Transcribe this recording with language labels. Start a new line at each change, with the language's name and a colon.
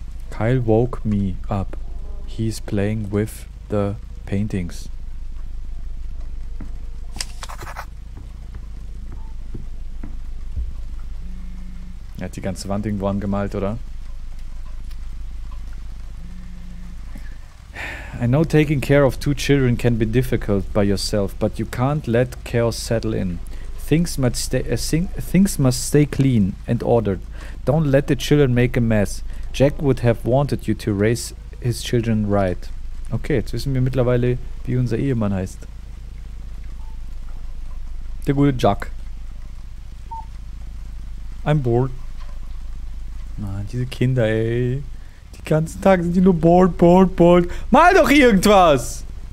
English: Kyle woke me up. He's playing with the paintings.
German: Er hat die ganze Wand irgendwo angemalt, oder?
English: I know taking care of two children can be difficult by yourself, but you can't let chaos settle in. Things must stay clean and ordered. Don't let the children make a mess. Jack would have wanted you to raise his children right.
German: Okay, jetzt wissen wir mittlerweile, wie unser Ehemann heißt. Der gute Jack.
English: I'm bored.
German: Mann, diese Kinder, ey. Die ganzen Tage sind die nur
English: bored, bored, bored.
German: Mal doch irgendwas!